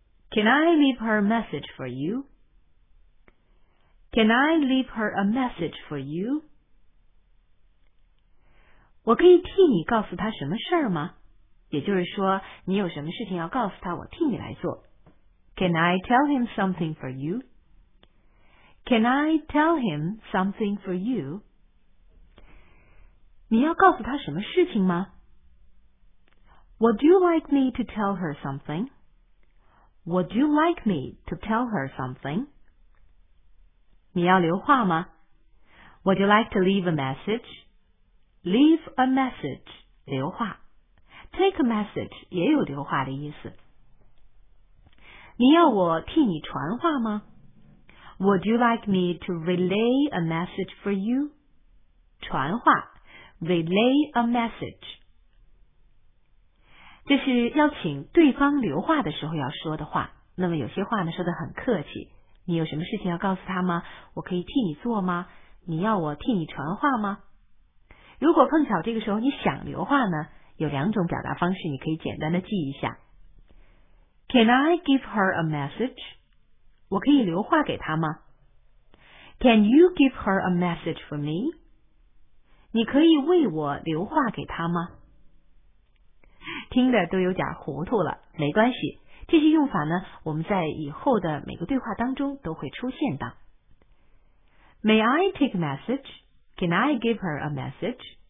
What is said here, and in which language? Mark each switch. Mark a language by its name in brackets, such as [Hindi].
[English] Can I leave her a message for you? Can I leave her a message for you? [Chinese] 我可以替你告诉他什么事儿吗？也就是说你有什么事情要告诉他，我替你来做。 [English] Can I tell him something for you? Can I tell him something for you? [Chinese] 你要告诉他什么事情吗？ [English] Would you like me to tell her something? Would you like me to tell her something? 你要留话吗？ Would you like to leave a message? Leave a message, 留话。 Take a message 也有留话的意思。 [Chinese] 你要我替你传话吗？ [English] Would you like me to relay a message for you? 传话， relay a message. [Chinese] 这是要请对方留话的时候要说的话。那么有些话呢说得很客气，你有什么事情要告诉他吗？我可以替你做吗？你要我替你传话吗？如果碰巧这个时候你想留话呢，有两种表达方式你可以简单的记一下。 Can I give her a message? 我可以留话给她吗？ [English] Can you give her a message for me? [Chinese] 你可以为我留话给她吗？听的都有点糊涂了，没关系，这些用法呢，我们在以后的每个对话当中都会出现的。 [English] May I take a message? Can I give her a message?